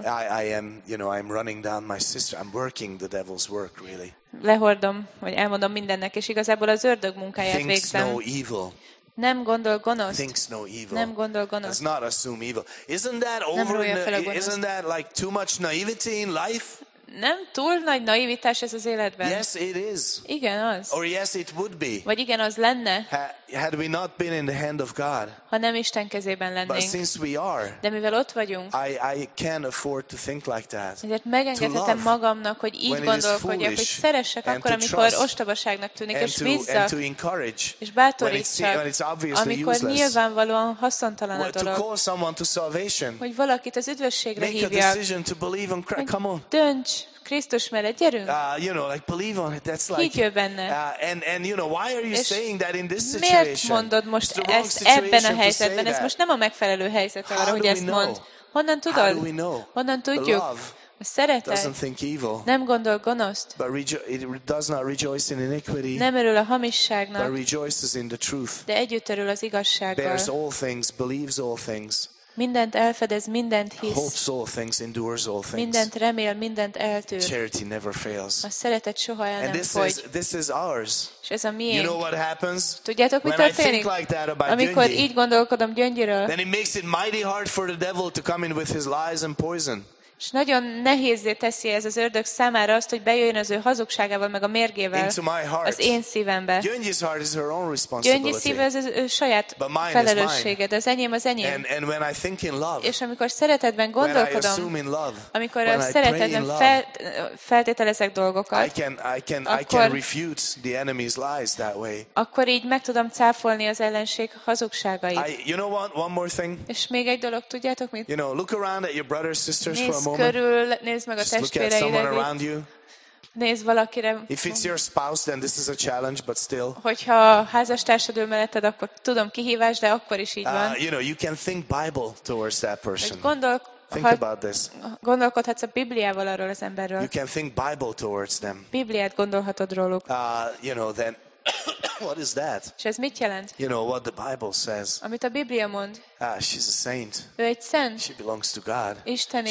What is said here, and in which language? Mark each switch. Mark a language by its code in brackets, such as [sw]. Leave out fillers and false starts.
[en] I am, you know, I'm running down my sister. I'm working the devil's work really. [hu] Lehordom, vagy elmondom mindennek, és igazából az ördög munkáját [en] thinks [hu] végzem. [en] No evil. [hu] Nem gondol gonoszt. [en] Thinks no evil. [hu] Nem gondol gonoszt. [en] Does not assume evil. Isn't that over isn't that like too much naivety in life? [hu] Nem túl nagy naivitás ez az életben. [en] Yes, it is. [hu] Igen, az. [en] Or yes, it would be. [hu] Vagy igen, az lenne. [en] Had we not been in the hand of God. [hu] Ha nem Isten kezében lennénk. [en] But since we are. [hu] De mivel ott vagyunk. [en] I can afford to think like that. [hu] Ezért megengedhetem magamnak, hogy így gondolkodjak, hogy szeressek akkor, amikor ostobaságnak tűnik, és bízzak. És bátorítsak, amikor nyilvánvalóan haszontalan a dolog. [en] To call someone to salvation. [hu] Hogy valakit az üdvösségre hívjak. [en] Make a decision to believe in Christ. Come on. [hu] Krisztus mellett gyerünk. [en] You know, like believe on it. That's like. [hu] Higgy benne. [en] And you know why are you saying that in this situation? [hu] Miért mondod most ezt ebben a helyzetben? Ez most nem a megfelelő helyzet arra, hogy ezt mond. Honnan tudod? [en] How do we know? [hu] Honnan tudjuk? A szeretet [en] doesn't think evil. [hu] Nem gondol gonoszt. [en] But it does not rejoice in iniquity. [hu] Nem örül a hamisságnak. [en] But rejoices in the truth. [hu] De együtt örül az igazsággal. [en] Bears all things, believes all things. [hu] Mindent elfedez, mindent hisz. [en] Hopes all things, endures all things. [hu] Mindent remél, mindent eltűr. [en] Charity never fails. [hu] A szeretet soha el [en] and [hu] nem [en] this [hu] fogy. [en] Is, this is ours. [hu] És ez a miénk. [en] You know what happens? [hu] Tudjátok, mi történik? [en] Like [hu] amikor Gyöngyi, így gondolkodom Gyöngyiről. [en] Then it makes it mighty hard for the devil to come in with his lies and poison. [hu] És nagyon nehézé teszi ez az ördög számára azt, hogy bejöjjön az ő hazugságával, meg a mérgével az én szívembe. [en] Gyöngyi's heart is her own responsibility. [hu] Gyöngyi szíve az ő saját felelőssége, de az enyém az enyém. [en] And when I think in love, [hu] és amikor szeretetben gondolkodom, [en] when I assume in love, [hu] amikor [en] when [hu] a szeretetben [en] love, [hu] feltételezek dolgokat, [en] I can refute the enemy's lies that way. [hu] Akkor így meg tudom cáfolni az ellenség hazugságait. [en] You know what, one more thing? [hu] És még egy dolog, tudjátok mit? [en] You know, look around at your brothers, sisters, [hu] körül, nézd meg a testvéreidet. Nézd valakire. [en] If it's your spouse, then this is a challenge, but still. [hu] Hogyha házastársad ül melletted, akkor tudom kihívás, de akkor is így van. [en] You know, you can think Bible towards that person. Think about this. [hu] Gondolkodhatsz a Bibliával arról az emberről. [en] You can think Bible towards them. [hu] Bibliát gondolhatod róluk. [en] You know, then what is that? [hu] És ez mit jelent? [en] You know what the Bible says. [hu] Amit a Biblia mond. [en] She's a saint. [hu] Ő egy szent. [en] She belongs to God. [hu] Isteni.